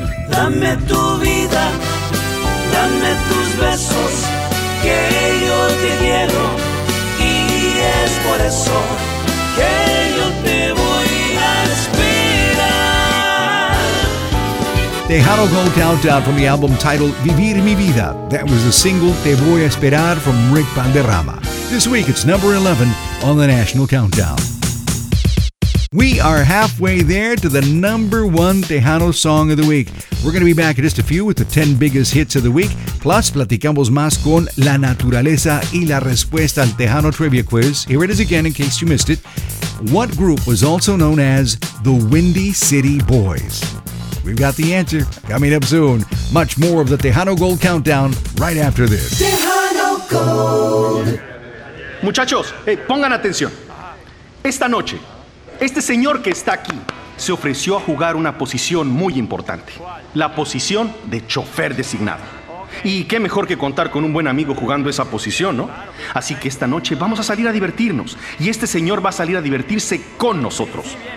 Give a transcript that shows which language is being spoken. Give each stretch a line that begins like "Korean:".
Spanish: Dame tu vida, dame tus besos, que yo te quiero, y es por eso que yo te voy a esperar.
English: Tejano Gold Countdown from the album titled Vivir Mi Vida. That was the single Te Voy a Esperar from Rick Panderrama. This week, it's number 11 on the National Countdown. We are halfway there to the number one Tejano song of the week. We're going to be back in just a few with the 10 biggest hits of the week. Plus,
Spanish: platicamos más con La Naturaleza y la respuesta al Tejano
English: trivia quiz. Here it is again in case you missed it. What group was also known as the Windy City Boys? We've got the answer coming up soon. Much more of the Tejano Gold Countdown right after this. Tejano Gold.
Spanish: Muchachos, hey, pongan atención. Esta noche, este señor que está aquí se ofreció a jugar una posición muy importante. La posición de chofer designado. Y qué mejor que contar con un buen amigo jugando esa posición, ¿no? Así que esta noche vamos a salir a divertirnos. Y este señor va a salir a divertirse con nosotros.